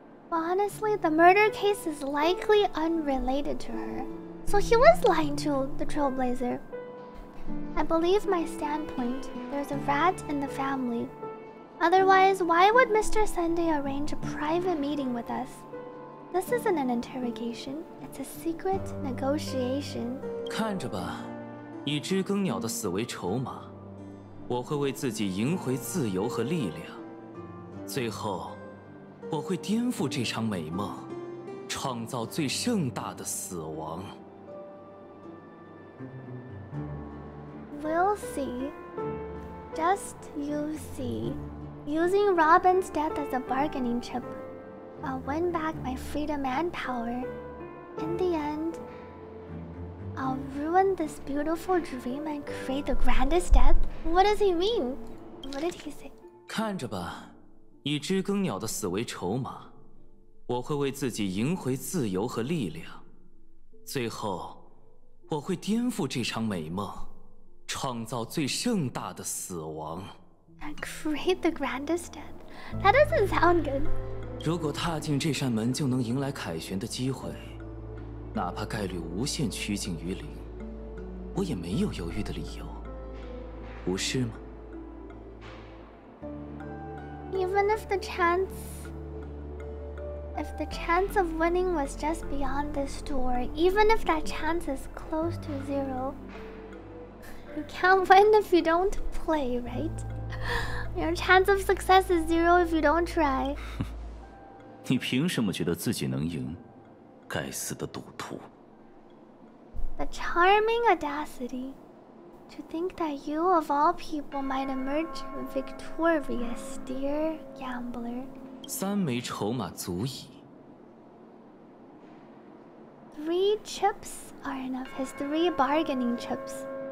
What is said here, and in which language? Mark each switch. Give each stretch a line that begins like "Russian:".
English: Well, honestly, the murder case is likely unrelated to her. So he was lying to the Trailblazer. I believe my standpoint. There's a rat in the family. Otherwise, why would Mr. Sunday arrange a private meeting with us? This isn't an interrogation. It's a secret negotiation.
Chinese: 看着吧，以知更鸟的死为筹码，我会为自己赢回自由和力量。最后，我会颠覆这场美梦，创造最盛大的死亡。
English: We'll see. Just you see. Using Robin's death as a bargaining chip, I'll win back my freedom and power. In the end, I'll ruin this beautiful dream and create the grandest death. What does he mean? What did he say?
Chinese: 看着吧，以知更鸟的死为筹码，我会为自己赢回自由和力量。最后，我会颠覆这场美梦。创造最盛大的死亡。
English: And create the grandest death. That doesn't sound good.
Chinese: 如果踏进这扇门就能迎来凯旋的机会，哪怕概率无限趋近于零，我也没有犹豫的理由，不是吗？
English: Even if the chance of winning was just beyond this door, even if that chance is close to zero. You can't win if you don't play, right? Your chance of success is zero if you don't try.
Chinese: 你凭什么觉得自己能赢？该死的赌徒。
English: The charming audacity to think that you, of all people, might emerge victorious, dear gambler.
Chinese: 三枚筹码足矣。
English: Three chips are enough. His three bargaining chips.